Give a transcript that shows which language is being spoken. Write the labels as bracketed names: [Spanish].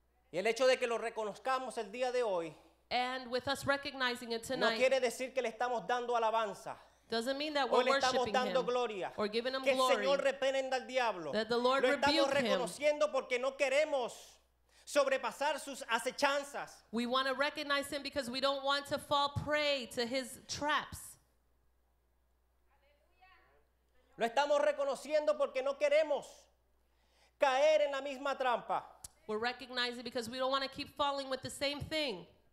[Spanish] Y el hecho de que lo reconozcamos el día de hoy. [English] And with us recognizing it tonight. [Spanish] No quiere decir que le estamos dando alabanza. [English] Doesn't mean that we're worshiping him [Spanish] gloria. [English] Or giving him [Spanish] que [English] glory. [Spanish] Que el Señor reprenda al diablo. [English] That the Lord rebuke him. [Spanish] Lo estamos reconociendo porque no queremos sobrepasar sus acechanzas. [English] We want to recognize him because we don't want to fall prey to his traps. [Spanish] Lo estamos reconociendo porque no queremos caer en la misma trampa. [English] We're recognizing because we don't want to keep falling with the same thing.